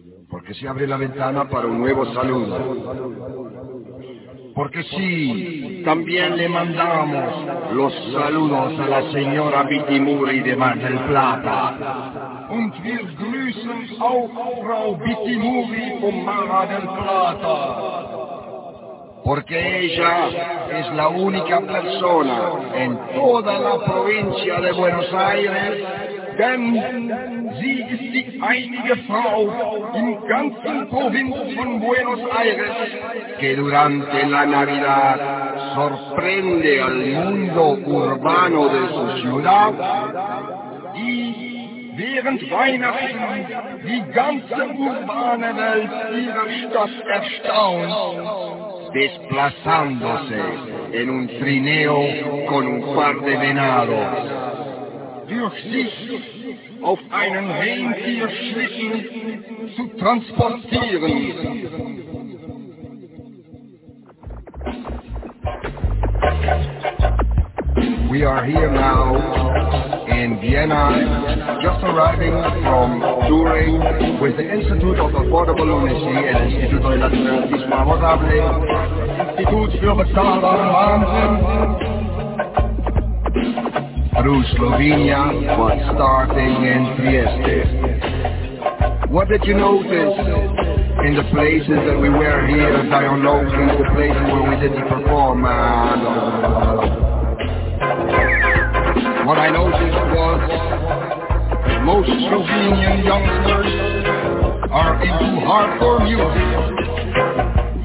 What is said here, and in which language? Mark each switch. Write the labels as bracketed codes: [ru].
[es] porque se abre la ventana para un nuevo saludo, porque sí, también le mandamos los saludos a la señora Vitimuri de Mar del Plata. [de] und wir grüßen auch Frau Bittimuri vom Mara del Plata. [es] Porque ella es la única persona en toda la provincia de Buenos Aires. [de] Denn sie ist die einzige Frau im ganzen Provinz von Buenos Aires, [es] que durante la Navidad sorprende al mundo urbano de su ciudad, [de] y während Weihnachten die ganze urbane Welt ihrer Stadt erstaunt, [es] desplazándose en un trineo con un par de venados. [de] Durch sich auf einen Rentierschlitten zu transportieren. [en] We are here now in Vienna, just arriving from touring with the Institute of Affordable Lunacy and Institut für Nationalismus Favorable. [de] Institut für bezahlbare Wahnsinn. [en] Through Slovenia, but starting in Trieste. What did you notice in the places that we were here, dialoguing, the places where we did the performance? What I noticed was most Slovenian youngsters are into hardcore music.